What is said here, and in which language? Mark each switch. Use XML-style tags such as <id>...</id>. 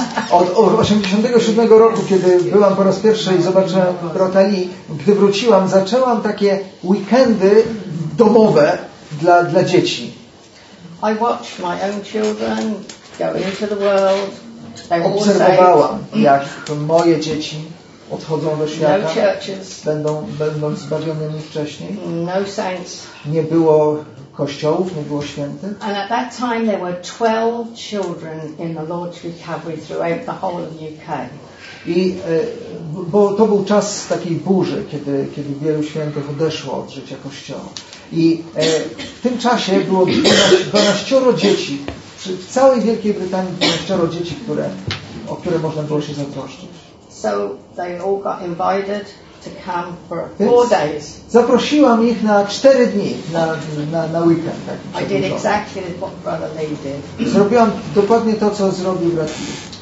<pl>Od 87 roku, kiedy byłam po raz pierwszy i zobaczyłam brata Lee, gdy wróciłam, zaczęłam takie weekendy domowe dla dzieci.</pl> <en>I watch my own children go into the world.</en> <pl>Obserwowałam, jak moje dzieci odchodzą do świata,</pl> <en>no churches,</en> <pl>będą zbawionymi wcześniej.</pl> <en>No saints.</en> <pl>Nie było kościołów, nie było świętych.</pl> <en>And at that time there were 12 children in the Lord's recovery throughout the whole of UK.</en> <pl>I bo to był czas takiej burzy, kiedy wielu świętych odeszło od życia kościoła. I w tym czasie było 12 dzieci. W całej Wielkiej Brytanii było 12 dzieci, o które można było się zatroszczyć.</pl> <en>So they all got invited to to come for four days.</en> <pl>Zaprosiłam ich na 4 dni, na weekend. Tak,</pl> <en>I did exactly what Brother Lee did.</en> <pl>Zrobiłam dokładnie to, co zrobił brat Lee.</pl>